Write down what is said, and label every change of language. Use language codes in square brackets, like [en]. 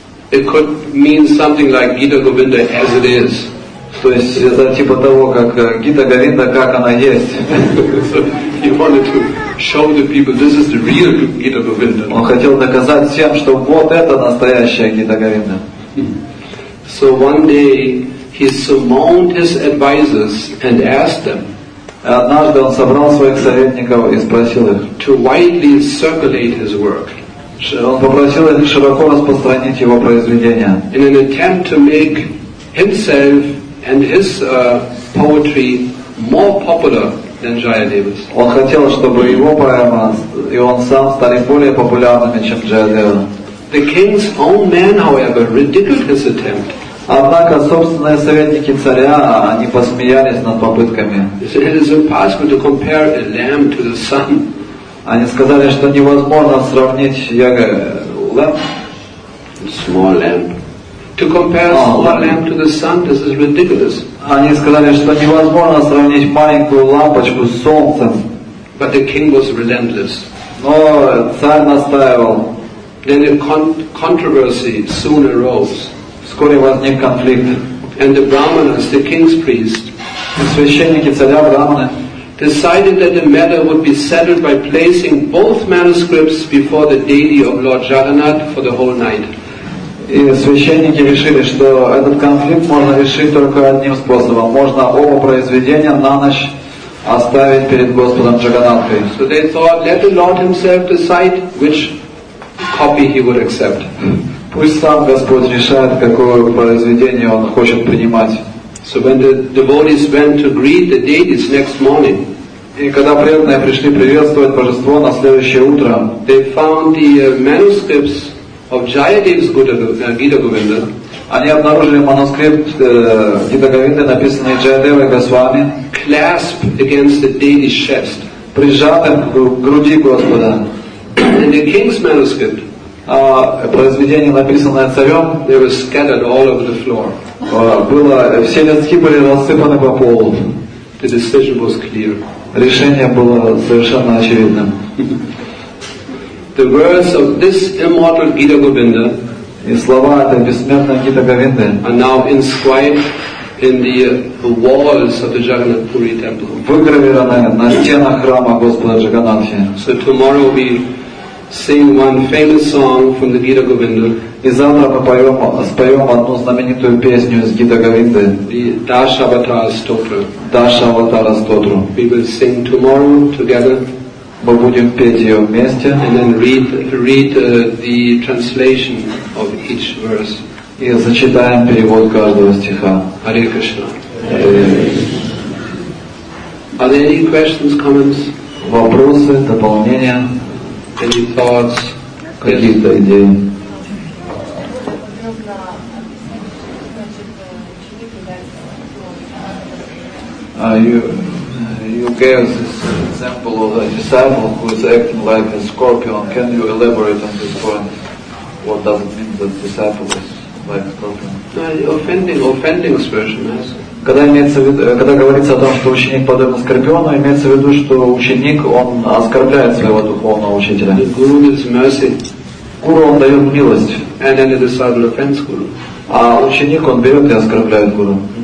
[en] It could mean something like Gita Govinda as it is. [ru] То есть это типа того, как Гита Говинда, как она есть. [en] So he wanted to show the people this is the real Gita Govinda. [ru] Он хотел доказать всем, что вот это настоящая Гита Говинда. [en] So one day he summoned his advisors and asked them. [ru] Однажды он собрал своих советников и спросил их. [en] To widely circulate his work. [ru] Он попросил их широко распространить его произведения. [en] In an attempt to make himself and his poetry more popular than Jayadeva's. [ru] Он хотел, чтобы его поэма и он сам стали более популярными, чем Джаядева. [en] The king's own men, however, ridiculed his attempt. [ru] Однако собственные советники царя, они посмеялись над попытками. [en] It is impossible to compare a lamb to the sun. [ru] Они сказали, что невозможно сравнить яга lamp. [en] Small lamp. To compare small lamp to the sun, this is ridiculous. [ru] Они сказали, что невозможно сравнить маленькую лампочку с солнцем. [en] But the king was relentless. [ru] Но царь настаивал. [en] Then a controversy soon arose. [ru] Вскоре возник конфликт. [en] And the brahmanas, the king's priests, [ru] и священники царя брахманы, [en] decided that the matter would be settled by placing both manuscripts before the deity of Lord Jagannath for the whole night. [ru] И священники решили, что этот конфликт можно решить только одним способом. Можно оба произведения на ночь оставить перед Господом Джаганатхой. [en] So they thought, let the Lord himself decide which copy he would accept. [ru] Пусть сам Господь решает, какое произведение он хочет принимать. [en] So when the devotees went to greet the deities next morning, [ru] и когда преданные пришли приветствовать божество на следующее утро, [en] they found the manuscripts of Jayadev's Gita Govinda. [ru] Они обнаружили манускрипт Гита Говинды, написанный Джаядевой Госвами, [en] clasped against the deity's chest, [ru] прижатым к груди Господа. [en] And the king's manuscript, [ru] произведение, написанное царем, [en] they were scattered all over the floor. [ru] Было, все листки были рассыпаны по полу. [en] The decision was clear. [ru] Решение было совершенно очевидным. [en] The words of this immortal Gita Govinda, [ru] и слова этой бессмертной Гита Говинды, [en] are now inscribed in the walls of the Jagannath Puri temple. [ru] Выгравированы на стенах храма Господа Джаганатхи. [en] So tomorrow we sing one famous song from the Gita Govinda. [ru] И завтра мы споем одну знаменитую песню из Гита Говинды. Даша Аватара Стотру. Даша Аватара Стотру. [en] We will sing tomorrow together. [ru] Мы будем петь ее вместе. [en] And then read the translation of each verse. [ru] И зачитаем перевод каждого стиха. [en] Hare Krishna. Are there any questions, comments? [ru] Вопросы, дополнения? [en] Any thoughts? [ru] Какие-то идеи? [en] You gave this example of a disciple who is acting like a scorpion. Can you elaborate on this point? What does it mean that disciple is like a scorpion? Offending expression, yes. [ru] Когда говорится о том, что ученик подобен скорпиону, имеется в виду, что ученик, он оскорбляет своего духовного учителя. [en] The guru gives mercy. [ru] Гуру, он дает милость. [en] And then the disciple offends guru. [ru] А ученик, он берет и оскорбляет гуру.